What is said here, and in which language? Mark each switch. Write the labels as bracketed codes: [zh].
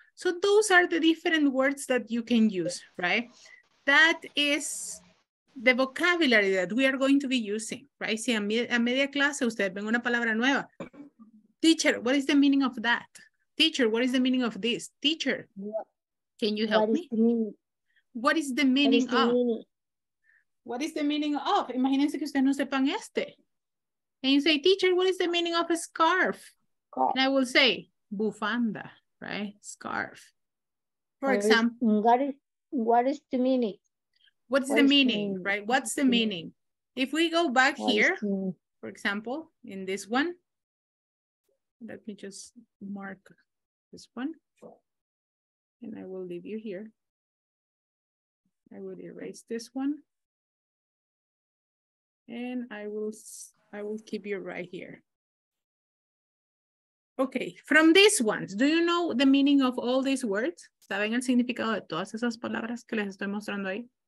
[en] So those are the different words that you can use, right? That is the vocabulary that we are going to be using, right? [es] Si a media clase usted ven una palabra nueva. [en] Teacher, what is the meaning of that? Teacher, what is the meaning of this? Teacher, can you help me? What is the meaning of? What is the meaning of? [es] Imagínense que usted no sepan este. [en] And you say, teacher, what is the meaning of a scarf? And I will say, bufanda, right? Scarf. For example. What is the meaning? What's the meaning, right? What's the meaning? If we go back here, for example, in this one, let me just mark this one. And I will leave you here. I will erase this one. And I will keep you right here. Okay, from these ones, do you know the meaning of all these words? [es] ¿Saben el significado de todas esas palabras que les estoy mostrando ahí?